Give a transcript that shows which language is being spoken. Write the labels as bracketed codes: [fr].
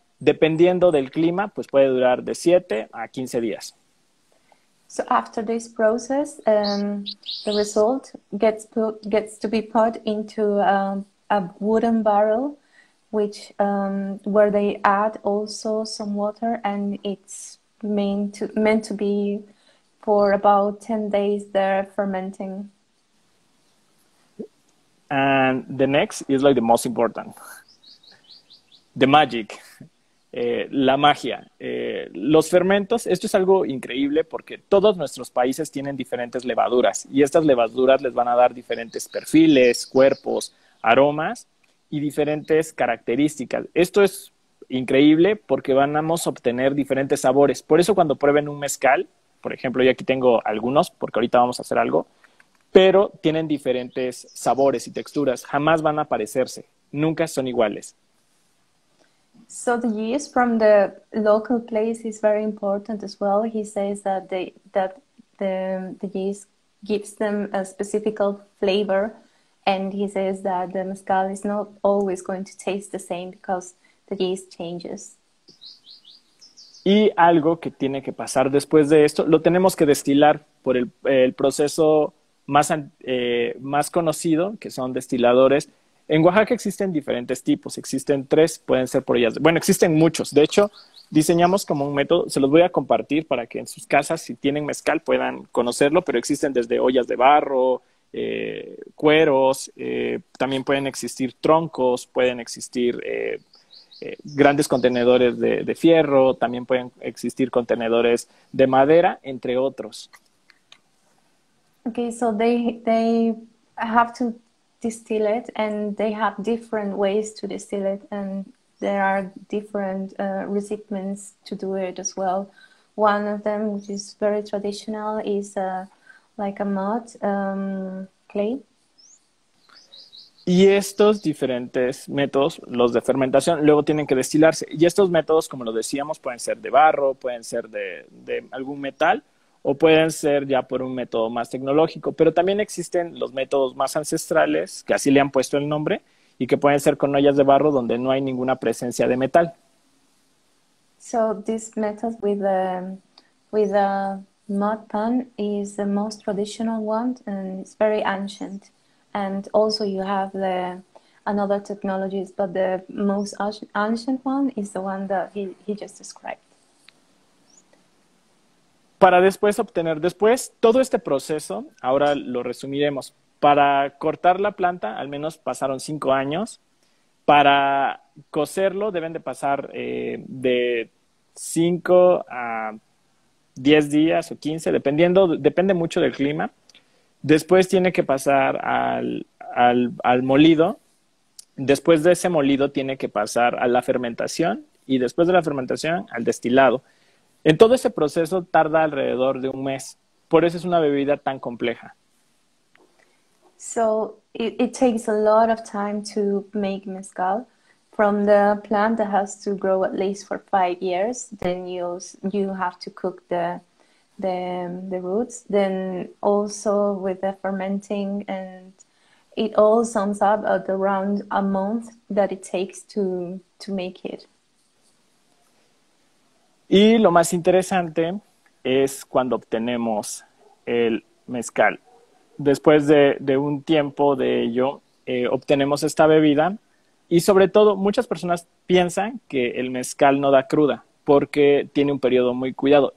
[es] Dependiendo del clima, pues puede durar de 7 a 15 días. [en] So after this process, the result gets to be put into a wooden barrel, where they add also some water, and it's meant to be for about 10 days there fermenting. And the next is like the most important. The magic. [es] La magia. Los fermentos, esto es algo increíble porque todos nuestros países tienen diferentes levaduras, y estas levaduras les van a dar diferentes perfiles, cuerpos, aromas y diferentes características. Esto es increíble porque vamos a obtener diferentes sabores. Por eso cuando prueben un mezcal, por ejemplo, yo aquí tengo algunos porque ahorita vamos a hacer algo, pero tienen diferentes sabores y texturas. Jamás van a parecerse. Nunca son iguales. [en] So the yeast from the local place is very important as well. He says that the yeast gives them a specific flavor, and he says that the mezcal is not always going to taste the same because the yeast changes. [es] Y algo que tiene que pasar después de esto, lo tenemos que destilar por el proceso más conocido, que son destiladores. En Oaxaca existen diferentes tipos, existen tres, pueden ser por ellas. Bueno, existen muchos. De hecho, diseñamos como un método, se los voy a compartir para que en sus casas, si tienen mezcal, puedan conocerlo, pero existen desde ollas de barro, cueros, también pueden existir troncos, pueden existir grandes contenedores de fierro, también pueden existir contenedores de madera, entre otros. [en] Okay, so they have to distill it, and they have different ways to distill it, and there are different recipients to do it as well. One of them, which is very traditional, is like a mud clay. [es] Y estos diferentes métodos, los de fermentación, luego tienen que destilarse. Y estos métodos, como lo decíamos, pueden ser de barro, pueden ser de algún metal, o pueden ser ya por un método más tecnológico. Pero también existen los métodos más ancestrales, que así le han puesto el nombre, y que pueden ser con ollas de barro donde no hay ninguna presencia de metal. [en] So this method with a mud pan is the most traditional one, and it's very ancient. And also you have the another technologies, but the most ancient one is the one that he just described. [es] Para después obtener después todo este proceso, ahora lo resumiremos. Para cortar la planta, al menos pasaron 5 años. Para cocerlo, deben de pasar de 5 a 10 días o 15, depende mucho del clima. Después tiene que pasar al molido. Después de ese molido tiene que pasar a la fermentación y después de la fermentación al destilado. En todo ese proceso tarda alrededor de un mes. Por eso es una bebida tan compleja. [en] So it takes a lot of time to make mezcal from the plant that has to grow at least for 5 years. Then you have to cook the roots, then also with the fermenting, and it all sums up at around a month that it takes to make it. [es] Y lo más interesante es cuando obtenemos el mezcal. Después de un tiempo de ello, obtenemos esta bebida. Y sobre todo, muchas personas piensan que el mezcal no da cruda porque tiene un periodo muy cuidado.